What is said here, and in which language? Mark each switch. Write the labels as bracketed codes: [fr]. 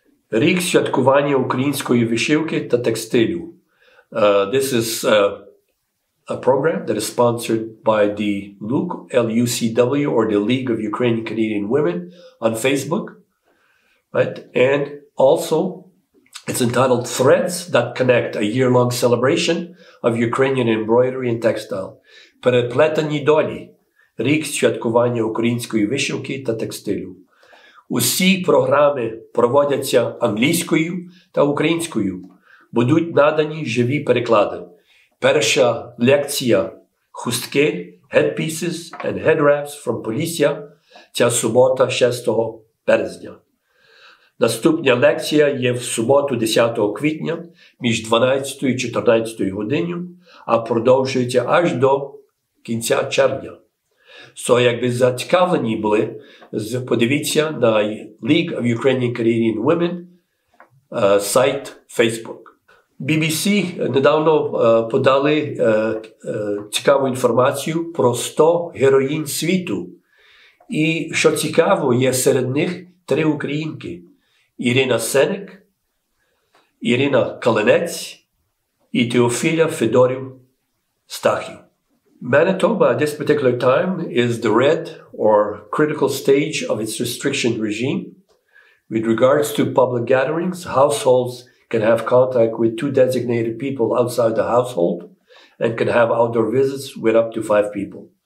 [uk] Рік святкування української вишивки та текстилю. [en] This is a program that is sponsored by the LUCW, L-U-C-W, or the League of Ukrainian Canadian Women on Facebook. Right? And also, it's entitled Threads That Connect, a year-long celebration of Ukrainian embroidery and textile. [uk] Переплетені долі. Рік святкування української вишивки та текстилю. Усі програми проводяться англійською та українською. Будуть надані живі переклади. Перша лекція – хустки, [en] headpieces and head wraps from [uk] Полісся ця субота 6 березня. Наступна лекція є в суботу 10 квітня між 12 і 14 годиною, а продовжується аж до кінця червня. So, якби зацікавлені були, подивіться на League of Ukrainian Canadian Women сайт Facebook. BBC недавно подали цікаву інформацію про 100 героїнь світу. І що цікаво, є серед них три українки. Ірина Сенек, Ірина Калинець і Теофіля Федорів Стахів. [en] Manitoba at this particular time is the red or critical stage of its restriction regime. With regards to public gatherings, households can have contact with two designated people outside the household and can have outdoor visits with up to five people.